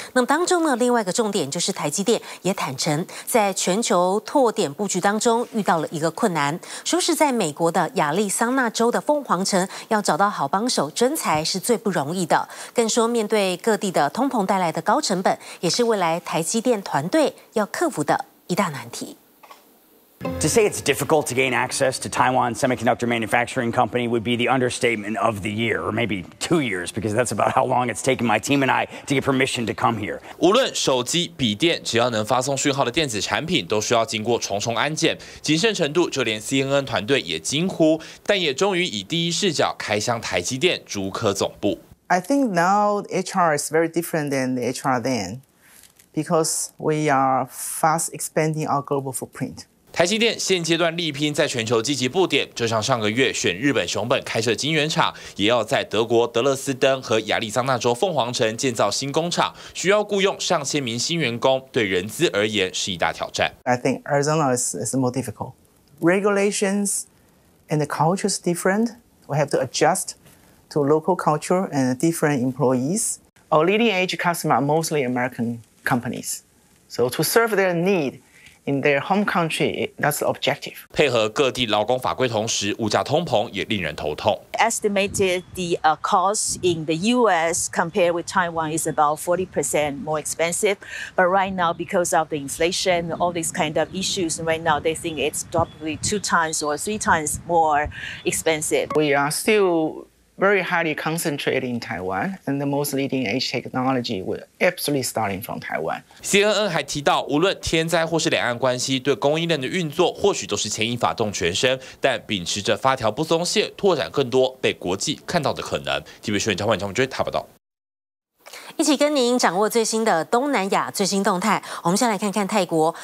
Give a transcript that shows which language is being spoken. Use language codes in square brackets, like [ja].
[zh] 那么当中呢，另外一个重点就是台积电也坦诚，在全球拓点布局当中遇到了一个困难，说是在美国的亚利桑那州的凤凰城要找到好帮手征才是最不容易的，更说面对各地的通膨带来的高成本，也是未来台积电团队要克服的一大难题。 [en] To say it's difficult to gain access to Taiwan Semiconductor Manufacturing Company would be the understatement of the year, or maybe 2 years, because that's about how long it's taken my team and I to get permission to come here. [zh] 无论手机、笔电，只要能发送讯号的电子产品，都需要经过重重安检，谨慎程度就连 CNN 团队也惊呼，但也终于以第一视角开箱台积电竹科总部。 [en] I think now HR is very different than the HR then, because we are fast expanding our global footprint. [zh] 台积电现阶段力拼在全球积极布点，就像上个月选日本熊本开设晶圆厂，也要在德国德勒斯登和亚利桑那州凤凰城建造新工厂，需要雇用上千名新员工，对人资而言是一大挑战。 [en] I think Arizona is more difficult. Regulations and the culture is different. We have to adjust to local culture and different employees. Our leading edge customers are mostly American companies. So to serve their need,In their home country, that's the objective. [zh] 配合各地劳工法规同时，物价通膨也令人头痛。 [en] Estimated the cost in the U.S. compared with Taiwan is about 40% more expensive. But right now, because of the inflation, all these kind of issues, right now they think it's probably two times or three times more expensive. We are still very highly concentrated in Taiwan, and the most leading edge technology will absolutely starting from Taiwan. [zh] CNN 还提到，无论天灾或是两岸关系，对供应链的运作或许都是牵一发动全身，但秉持着发条不松懈，拓展更多被国际看到的可能。 TVBS 新闻台湾张文娟台报道。一起跟您掌握最新的东南亚最新动态，我们先来看看泰国。